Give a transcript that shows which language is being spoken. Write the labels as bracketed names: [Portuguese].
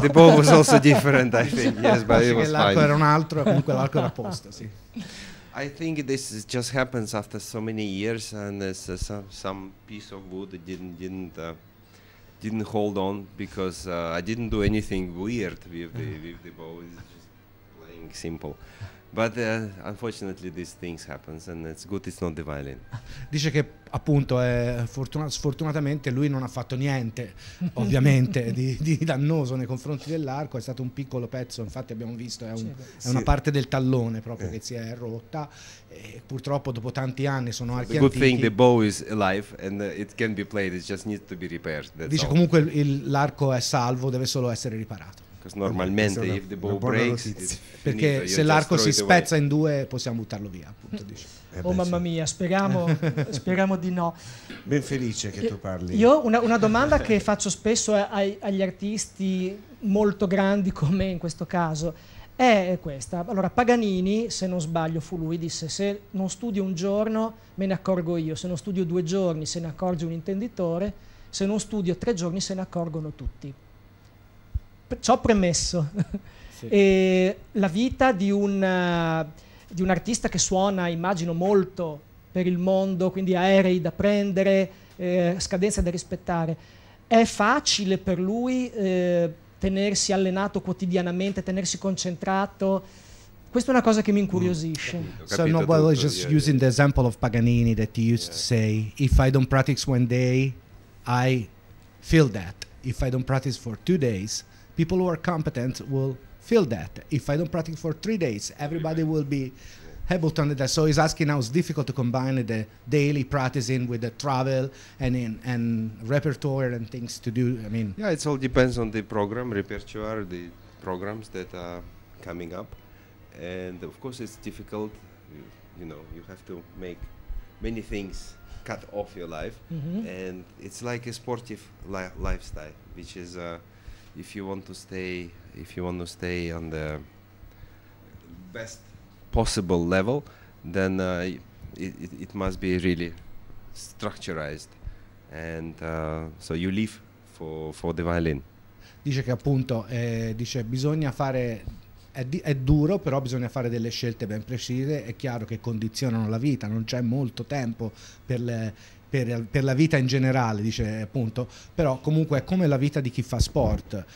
[English] The bow was also different, I think, yes, but it was [Italian] l'arco [English] fine. [Italian] Era un altro, comunque l'arco era a posto, sì. [English] I think this just happens after so many years and some piece of wood didn't hold on because I didn't do anything weird with the bow. It's just playing simple. But unfortunately these things happen and it's good it's not the violin. [Italian] Dice che appunto sfortunatamente lui non ha fatto niente ovviamente di dannoso nei confronti dell'arco, è stato un piccolo pezzo, infatti abbiamo visto è una parte del tallone proprio che si è rotta e purtroppo dopo tanti anni sono archi antichi. [English] The good thing the bow is alive and it can be played, it just needs to be repaired. That's [Italian] dice [English] all. [Italian] Comunque l'arco è salvo, deve solo essere riparato. Normalmente, [English] if the bow breaks, it's [Italian] perché finito, se l'arco si spezza in due, possiamo buttarlo via. Appunto, oh, mamma mia, speriamo di no. Ben felice che tu parli. Io una domanda che faccio spesso agli artisti molto grandi come in questo caso è questa. Allora, Paganini, se non sbaglio, fu lui, disse: se non studio un giorno, me ne accorgo io, se non studio due giorni, se ne accorge un intenditore, se non studio tre giorni, se ne accorgono tutti. Ciò premesso, sì. E la vita di un artista che suona, immagino, molto per il mondo, quindi aerei da prendere, scadenze da rispettare, è facile per lui tenersi allenato quotidianamente, tenersi concentrato? Questa è una cosa che mi incuriosisce. [English] Using the example of Paganini that you used to say, if I don't practice one day, I feel that. If I don't practice for two days, people who are competent will feel that. If I don't practice for 3 days, everybody will be able to understand. So he's asking how it's difficult to combine the daily practicing with the travel and repertoire and things to do. I mean, yeah, it all depends on the program, repertoire, the programs that are coming up. And of course it's difficult, you know, you have to make many things cut off your life. Mm-hmm. And it's like a sportive lifestyle, which is If you want to stay on the best possible level, then it must be really structured, and so you live for the violin. [Italian] Dice che appunto dice bisogna fare è duro, però bisogna fare delle scelte ben precise. È chiaro che condizionano la vita. Non c'è molto tempo per la vita in generale, dice appunto, però comunque è come la vita di chi fa sport.